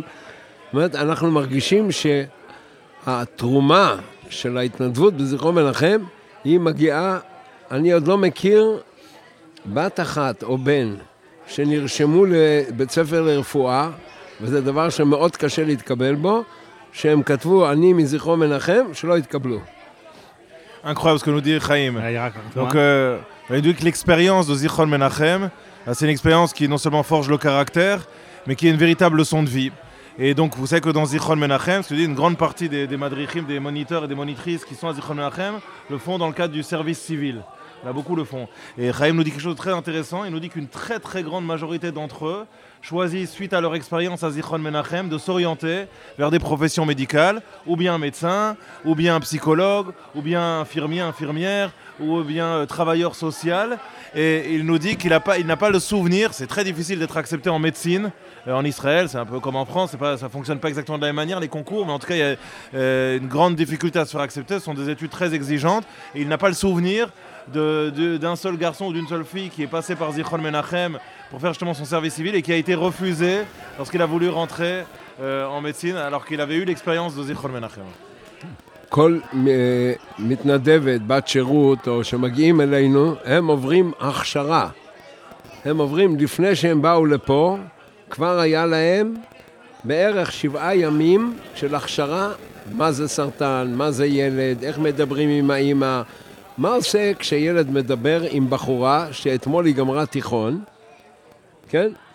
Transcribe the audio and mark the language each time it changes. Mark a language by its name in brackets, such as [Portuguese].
[Hebrew] זאת אומרת, אנחנו מרגישים שהתרומה של ההתנדבות בזכרון מנחם, היא מגיעה, אני עוד לא מכיר בת אחת או בן שנרשמו לבית ספר לרפואה, וזה דבר שמאוד קשה להתקבל בו, שהם כתבו אני מזכרון מנחם, שלא התקבלו. [French] Incroyable ce que nous dit Chaim. Donc, l'expérience de Zichron Menachem, c'est une expérience qui non seulement forge le caractère, mais qui est une véritable leçon de vie. Et donc, vous savez que dans Zichron Menachem, ce que dit une grande partie des madrichim, des moniteurs et des monitrices qui sont à Zichron Menachem, le font dans le cadre du service civil. Là, beaucoup le font. Et Chaim nous dit quelque chose de très intéressant. Il nous dit qu'une très très grande majorité d'entre eux choisissent, suite à leur expérience à Zichron Menachem, de s'orienter vers des professions médicales, ou bien médecin, ou bien psychologue, ou bien infirmier, infirmière, ou bien travailleur social. Et il nous dit qu'il n'a pas le souvenir, c'est très difficile d'être accepté en médecine, en Israël, c'est un peu comme en France, ça ne fonctionne pas exactement de la même manière, les concours, mais en tout cas, il y a une grande difficulté à se faire accepter, ce sont des études très exigeantes, et il n'a pas le souvenir d'un seul garçon ou d'une seule fille qui est passé par Zichron Menachem pour faire justement son service civil et qui a été refusé lorsqu'il a voulu rentrer en médecine alors qu'il avait eu l'expérience de Zichron Menachem. [Hebrew] כל מתנדבת, בת שירות או שמגיעים אלינו, הם עוברים הכשרה. הם עוברים לפני שהם באו לפה, כבר היה להם בערך 7 ימים של הכשרה, מה זה סרטן, מה זה ילד, איך מדברים עם האמא, מה עושה כשילד מדבר עם בחורה שאתמול היא גמרה תיכון, כן?